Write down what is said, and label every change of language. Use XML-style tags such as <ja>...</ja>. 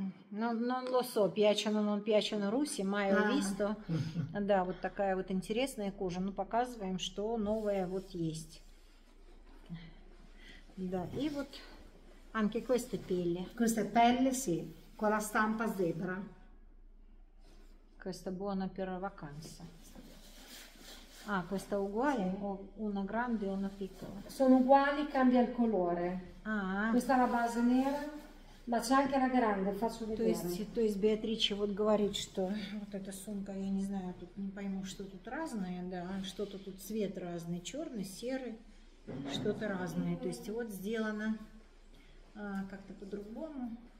<it>Non lo so, piacciono russi, mai ho visto.</it> <ru>Да, вот такая вот интересная кожа. Ну, показываем, что новое вот есть. Да, и вот</ru> <it>anche queste pelle. Queste pelle, sì, con la stampa zebra. Questa buona per vacanza. Ah, questa uguale o una grande o una piccola? Sono uguali, cambia il colore. Ah. Questa è la base nera, ma c'è anche la grande, faccio vedere.</it> <ru>То есть Beatrice вот говорит, что вот эта сумка, я не знаю, тут не пойму, что тут разное, да, что-то тут цвет разный, черный, серый, что-то разное. То есть вот сделано как-то по-другому.</ru>